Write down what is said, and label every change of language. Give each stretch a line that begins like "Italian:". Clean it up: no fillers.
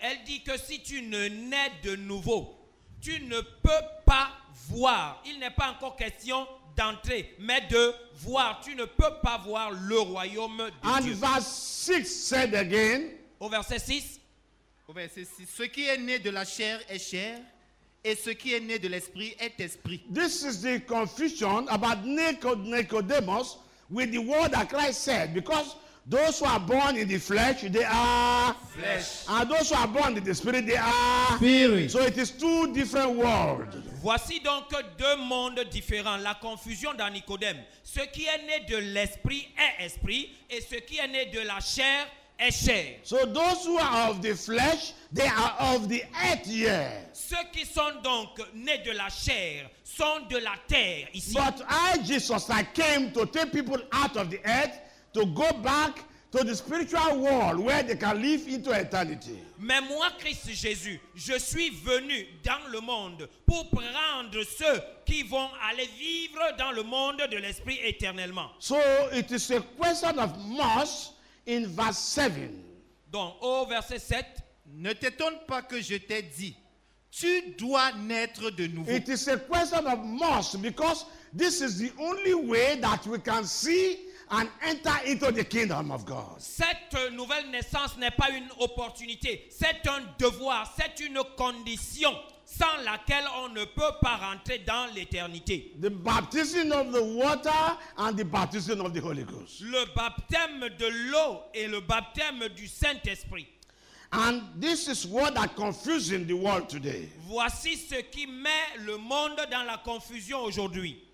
French: Elle dit que si tu ne nais de nouveau, tu ne peux pas voir. Il n'est pas encore question d'entrer, mais de voir. Tu ne peux pas voir le royaume de
English: And
French: Dieu.
English: And verse 6 said again.
French: Au verset 6. Ce qui est né de la chair est chair, et ce qui est né de l'esprit est esprit.
English: This is the confusion about Nicodemus with the word that Christ said, because those who are born in the flesh, they are flesh. And those who are born in the spirit, they are spirit. So it is two different worlds.
French: Voici donc deux mondes différents. La confusion dans Nicodème. Ce qui est né de l'esprit est esprit, et ce qui est né de la chair est chair.
English: So those who are of the flesh, they are of the earth here.
French: Ceux qui sont donc nés de la chair sont de la terre ici.
English: But I, Jesus, I came to take people out of the earth, to go back to the spiritual world where they can live into eternity.
French: Mais moi, Christ Jésus, je suis venu dans le monde pour prendre ceux qui vont aller vivre dans le monde de l'esprit éternellement.
English: So it is a question of must in verse 7.
French: Donc, au verset 7, ne t'étonne pas que je t'ai dit, tu dois naître de nouveau.
English: It is a question of must because this is the only way that we can see and enter into the kingdom of God.
French: Cette nouvelle naissance n'est pas une opportunité. C'est un devoir, c'est une condition sans laquelle on ne peut pas rentrer dans l'éternité.
English: The baptism of the water and the baptism of the Holy Ghost.
French: Le baptême de l'eau et le baptême du Saint-Esprit.
English: And this is what that confusing the world today.
French: Voici ce qui met le monde dans la confusion aujourd'hui.